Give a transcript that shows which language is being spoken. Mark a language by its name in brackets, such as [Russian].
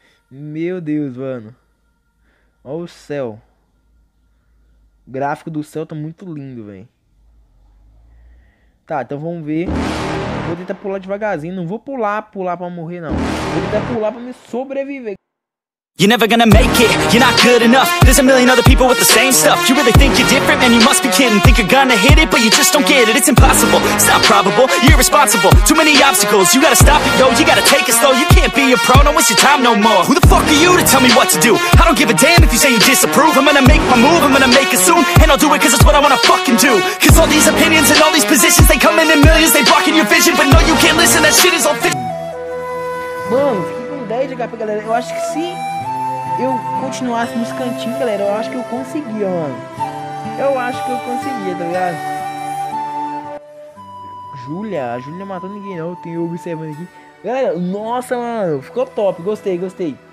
[Portuguese] Meu Deus, mano. Ó o céu. O gráfico do céu tá muito lindo, velho. Tá, então vamos ver... Vou tentar pular devagarzinho, não vou pular pra morrer não. Vou tentar pular pra me sobreviver. [English] You're never gonna make it, you're not good enough. There's a million other people with the same stuff. You really think you're different, man, you must be kidding. Think you're gonna hit it, but you just don't get it. It's impossible, it's not probable, you're irresponsible. Too many obstacles, you gotta stop it, yo. You gotta take it slow, you can't be a pro. No, it's your time no more. Who the fuck are you to tell me what to do? I don't give a damn if you say you disapprove. I'm gonna make my move, I'm gonna make it soon. And I'll do it cause it's what I wanna fucking do. Cause all these opinions and all these positions, they come in millions, they blocking your vision. But no, you can't listen, that shit is all fit. [Portuguese] Mano, fiquei com 10 de HP, galera. Eu acho que se eu continuasse nos cantinhos, galera, eu acho que eu conseguia, mano. Eu acho que eu conseguia, tá ligado? Júlia, a Júlia não matou ninguém, não. Tem observando aqui. Galera, nossa, mano. Ficou top. Gostei, gostei.